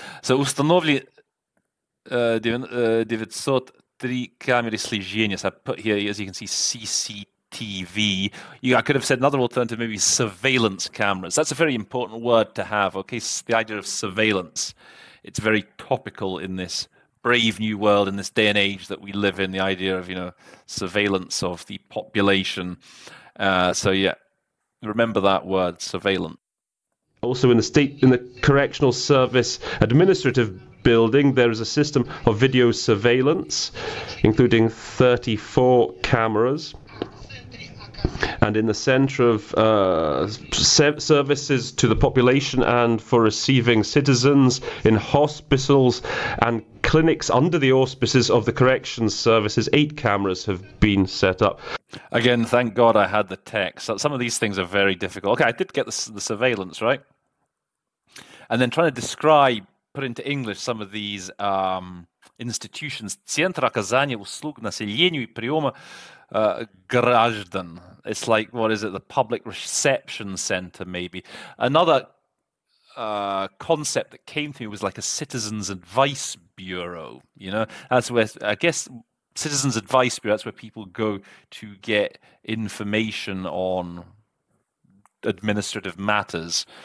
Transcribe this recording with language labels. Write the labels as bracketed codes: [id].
[ru] So установлен 903 камеры слежения. [en] So I put here, as you can see, CCTV. TV. I could have said another alternative, maybe surveillance cameras. That's a very important word to have, okay? So the idea of surveillance, it's very topical in this brave new world, in this day and age that we live in, the idea of, you know, surveillance of the population. So yeah, remember that word, surveillance. Also, in the Correctional Service administrative building, there is a system of video surveillance, including 34 cameras. And in the center of services to the population and for receiving citizens in hospitals and clinics under the auspices of the corrections services, eight cameras have been set up. Again, thank God I had the text. Some of these things are very difficult. Okay, I did get the surveillance, right? And then trying to describe, put into English some of these institutions. [ru] Центр оказания услуг населению и приема граждан. [en] It's like, what is it, the public reception center, maybe. Another concept that came to me was like a citizens advice bureau. You know, that's where, I guess, citizens advice bureau, that's where people go to get information on administrative matters.